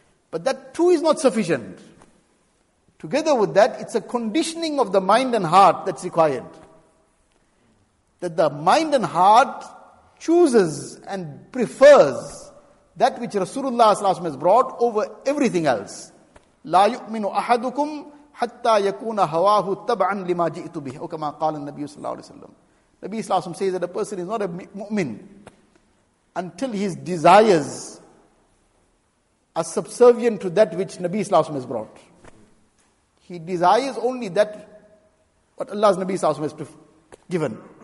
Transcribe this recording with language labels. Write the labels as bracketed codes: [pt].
[en] But that too is not sufficient. Together with that, it's a conditioning of the mind and heart that's required. That the mind and heart chooses and prefers that which Rasulullah sallallahu alaihi wasallam has brought over everything else. [ar] لا يؤمن أحدكم حتى يكون هواه تبعا لما جئت به. أو كما قال النبي صلى الله عليه وسلم. [en] Nabi Sallallahu Alaihi Wasallam says that a person is not a mu'min until his desires are subservient to that which Nabi Sallallahu Alaihi Wasallam has brought. He desires only that what Allah's Nabi Sallallahu Alaihi Wasallam has given.